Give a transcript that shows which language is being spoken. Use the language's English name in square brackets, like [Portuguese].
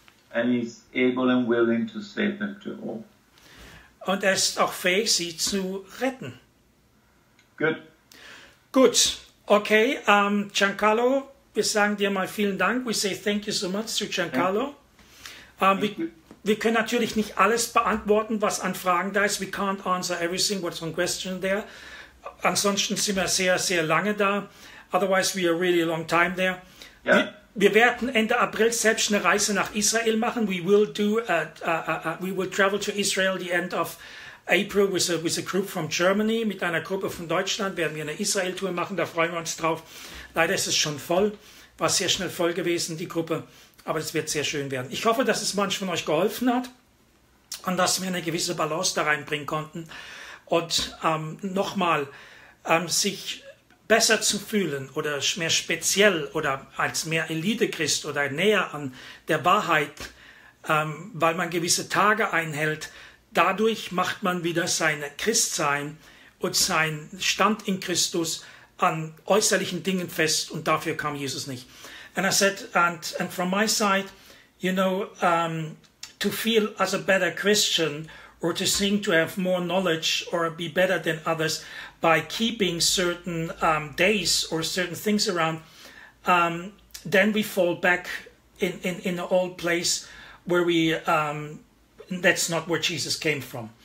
[English] And he's able and willing to save them to all. [German] Und er ist auch fähig, sie zu retten. [English] Good. [German] Gut. Okay, Giancarlo, wir sagen dir mal vielen Dank. [English] We say thank you so much to Giancarlo. [German] Wir können natürlich nicht alles beantworten, was an Fragen da ist. [English] We can't answer everything, what's on question there. [German] Ansonsten sind wir sehr, sehr lange da. [English] Otherwise, we are really a long time there. Yeah. [German] Wir werden Ende April selbst eine Reise nach Israel machen. [English] We will travel to Israel the end of April with a group from Germany. [German] Mit einer Gruppe von Deutschland werden wir eine Israel-Tour machen. Da freuen wir uns drauf. Leider ist es schon voll. War sehr schnell voll gewesen, die Gruppe. Aber es wird sehr schön werden. Ich hoffe, dass es manch von euch geholfen hat und dass wir eine gewisse Balance da reinbringen konnten. Und nochmal, sich besser zu fühlen oder mehr speziell oder als mehr Elite-Christ oder näher an der Wahrheit, weil man gewisse Tage einhält, dadurch macht man wieder sein Christsein und sein Stand in Christus an äußerlichen Dingen fest und dafür kam Jesus nicht. [English] And I said, and from my side, you know, to feel as a better Christian or to think to have more knowledge or be better than others by keeping certain days or certain things around, then we fall back in an old place where we, that's not where Jesus came from,